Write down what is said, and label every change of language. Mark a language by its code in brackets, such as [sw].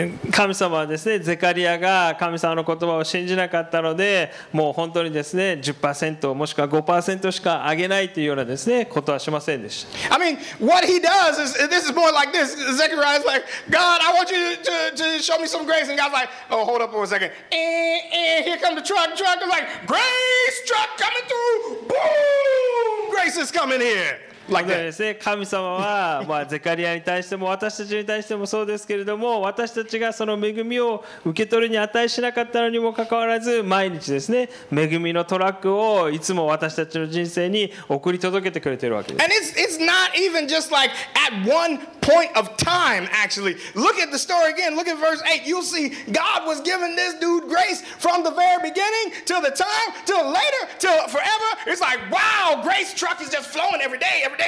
[ja] 神様はですね、ゼカリアが神様の言葉を信じなかったので、もう本当にですね、10% もしくは 5% しかあげないというようなですね、ことはしませんでした。 [en] I mean, what he does is this is more like this. Zechariah is like, God, I want you to show me some grace, and God's like, oh, hold up for a second. Here comes the truck. I'm like, grace truck coming through. Boom, grace is coming here. [ja] 神様はまあゼカリアに対しても私たちに対してもそうですけれども、私たちがその恵みを受け取るに値しなかったのにもかかわらず、毎日ですね、恵みのトラックをいつも私たちの人生に送り届けてくれているわけです。 [en] And it's not even just like at one point of time, actually. Look at the story again. Look at verse 8. You'll see God was giving this dude grace from the very beginning to the time, to later, to forever. It's like, wow, grace truck is just flowing every day.